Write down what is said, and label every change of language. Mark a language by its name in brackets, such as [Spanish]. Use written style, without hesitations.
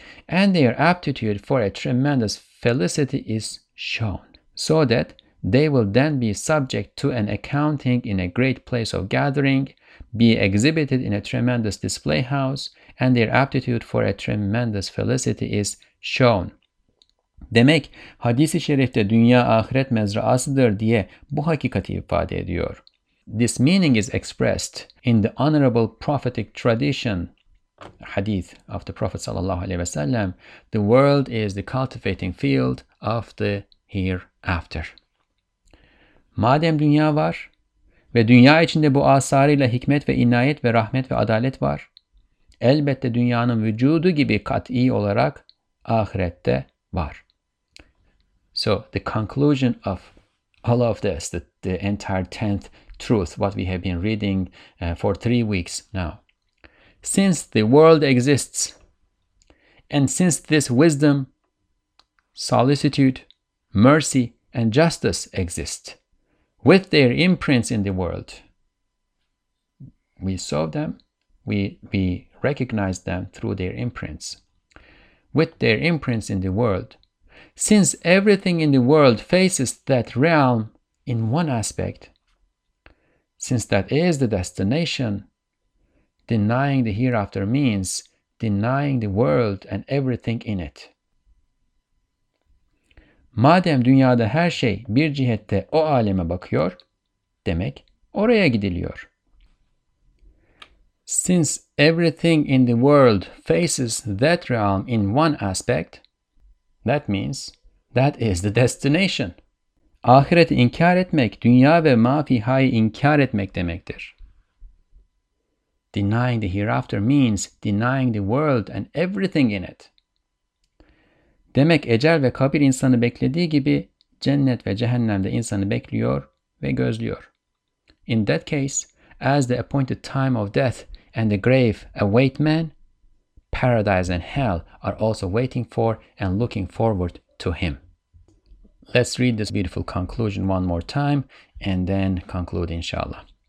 [English] And their aptitude for a tremendous felicity is shown, so that they will then be subject to an accounting in a great place of gathering, be exhibited in a tremendous display house, and their aptitude for a tremendous felicity is shown. [Turkish] Demek hadis-i şerifte dünya ahiret mezraasıdır diye bu hakikati ifade ediyor. [English] This meaning is expressed in the honorable prophetic tradition, hadith of the Prophet sallallahu aleyhi ve sellem, the world is the cultivating field of the hereafter. [Turkish] Madem dünya var ve dünya içinde bu asarıyla hikmet ve inayet ve rahmet ve adalet var, elbette dünyanın vücudu gibi kat'i olarak ahirette var. [English] So the conclusion of all of this, the entire 10th truth, what we have been reading for 3 weeks now. Since the world exists, and since this wisdom, solicitude, mercy, and justice exist, with their imprints in the world, we saw them, we recognize them through their imprints. With their imprints in the world, since everything in the world faces that realm in one aspect, since that is the destination, denying the hereafter means denying the world and everything in it. [Turkish] Madem dünyada her şey bir cihette o aleme bakıyor, demek oraya gidiliyor. [English] Since everything in the world faces that realm in one aspect, that means that is the destination. [Turkish] Ahireti inkar etmek, dünya ve mafihayı inkar etmek demektir. [English] Denying the hereafter means denying the world and everything in it. [Turkish] Demek ecel ve kabir insanı beklediği gibi cennet ve cehennem de insanı bekliyor ve gözlüyor. [English] In that case, as the appointed time of death and the grave await man, paradise and hell are also waiting for and looking forward to him. Let's read this beautiful conclusion one more time and then conclude inshallah.